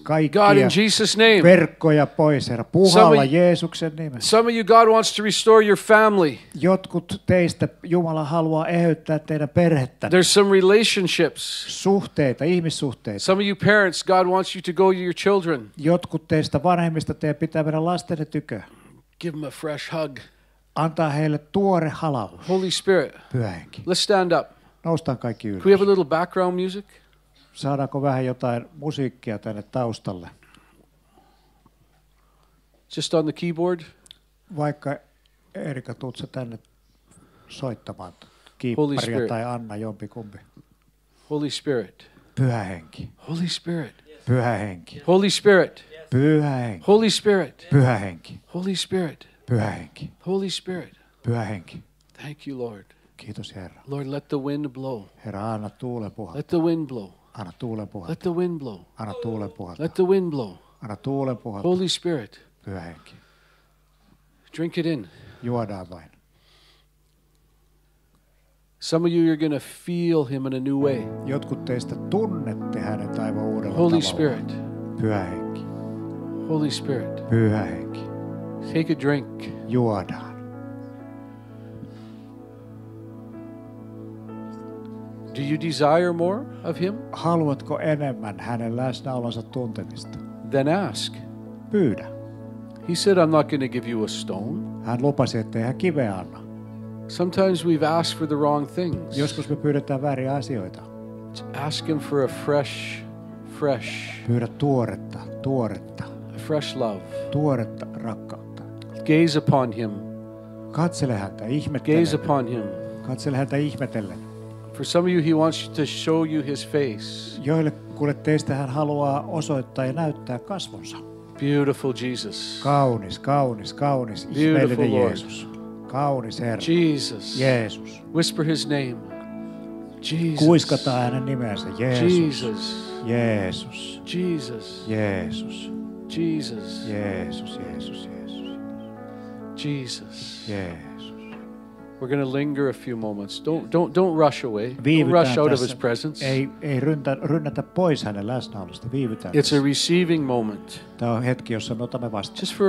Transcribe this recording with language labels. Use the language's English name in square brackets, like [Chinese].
[Finnish] Kaikkia verkkoja pois, Herra. Puhalla Jeesuksen nimessä. [English] Some of you God wants to restore your family. [Finnish] Jotkut teistä Jumala haluaa eheyttää teidän perhettä. [English] There's some relationships. [Finnish] Suhteita, ihmissuhteita. [English] Some of you parents, God wants you to go to your children. [Finnish] Jotkut teistä vanhemmista teidän pitää mennä lastenne tykö. [English] Give them a fresh hug. [Finnish] Antaa heille tuore halaus. [English] Holy Spirit. [Finnish] Pyhä Henki. [English] Let's stand up. [Finnish] Noustaan kaikki ylös. [English] Can we have a little background music? [Finnish] Saadaanko vähän jotain musiikkia tänne taustalle? [English] Just on the keyboard. [Finnish] Vaikka Erika, tuut sä tänne soittamaan kiipparia tai Anna, jompikumpi. [English] Holy Spirit. [Finnish] Pyhä Henki. [English] Holy Spirit. [Finnish] Pyhä Henki. [English] Holy Spirit. [Finnish] Pyhä Henki. [English] Holy Spirit. [Finnish] Pyhä Henki. [English] Holy Spirit. [Finnish] Pyhä Henki. [English] Holy Spirit. [Finnish] Pyhä Henki. [English] Thank you, Lord. [Finnish] Kiitos, Herra. [English] Lord, let the wind blow. [Finnish] Herra, anna tuulen puhaltaa. [English] Let the wind blow. [Finnish] Anna tuulen puhaltaa. [English] Let the wind blow. [Finnish] Anna tuulen puhaltaa. [English] Let the wind blow. [Finnish] Anna tuulen puhaltaa. [English] Holy Spirit. [Finnish] Pyhä Henki. [English] Drink it in. [Finnish] Juodaan vain. [English] Some of you are going to feel him in a new way. [Finnish] Jotkut teistä tunnette hänet aivan uudella tavalla. [English] Holy Spirit. [Finnish] Pyhä Henki. [English] Holy Spirit. [Finnish] Pyhä Henki. [English] Take a drink. [Finnish] Juodaan. [English] Do you desire more of him? [Finnish] Haluatko enemmän hänen läsnäolonsa tuntemista? [English] Then ask. [Finnish] Pyydä. [English] He said, I'm not going to give you a stone. [Finnish] Hän lupasi, ettei hän kiveä anna. [English] Sometimes we've asked for the wrong things. [Finnish] Joskus me pyydetään vääriä asioita. [English] Ask him for a fresh. [Finnish] Pyydä tuoretta. [English] A fresh love. [Finnish] Tuoretta rakkautta. [English] Gaze upon him. [Finnish] Katsele häntä ihmetellen. [English] Gaze upon him. [Finnish] Katsele häntä ihmetellen. [English] For some of you, he wants to show you his face. [Finnish] Joille kuule teistä hän haluaa osoittaa ja näyttää kasvonsa. [English] Beautiful Jesus. [Finnish] Kaunis. [English] Beautiful Lord. [Finnish] Jeesus. Kaunis Herra. [English] Jesus. [Finnish] Jeesus. [English] Whisper his name. Jesus. [Finnish] Kuiskata hänen nimensä. Jeesus. [English] Jesus. [Finnish] Jeesus. [English] Jesus. [Finnish] Jeesus. [English] Jesus. [Finnish] Jeesus. Jeesus. Jeesus. [English] Jesus. [Finnish] Jeesus. [English] We're going to linger a few moments. Don't rush away. Don't rush out of his presence. [Finnish] Ei rynnätä pois hänen läsnäolosta. Viivytään. [English] It's a receiving moment. [Finnish] Tämä on hetki, jossa me otamme vastaan.